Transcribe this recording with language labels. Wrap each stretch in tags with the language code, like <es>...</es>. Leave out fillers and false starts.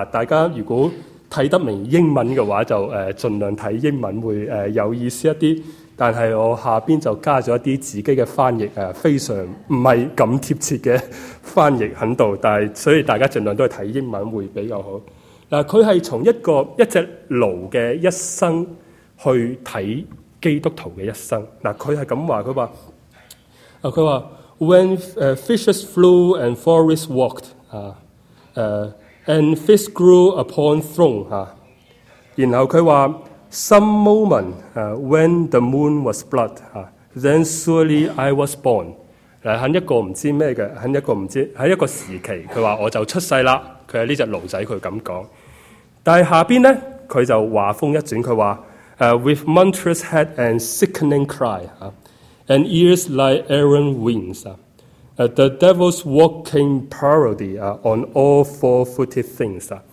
<zh>大家如果看得明英文的话，就尽量看英文会有意思一点，但是我下边就加了一些自己的翻译，非常不是咁贴切的翻译在这里，所以大家尽量都是看英文会比较好。他是从一只驴的一生去看基督徒的一生。他是这样说，他说</zh> <en>When fishes flew and forests walked, and fish grew upon throne,</en> <zh>然后他说</zh> <en>Some moment when the moon was blood, then surely I was born.</en> <zh>在一个不知道什么的，在一个时期，他说我就出世了，他是这只驴仔，他这样说。但是下边呢，他就话风一转，他说</zh> <en>With monstrous head and sickening cry, and ears like Aaron wings, the devil's walking parody on all four-footed things.</en>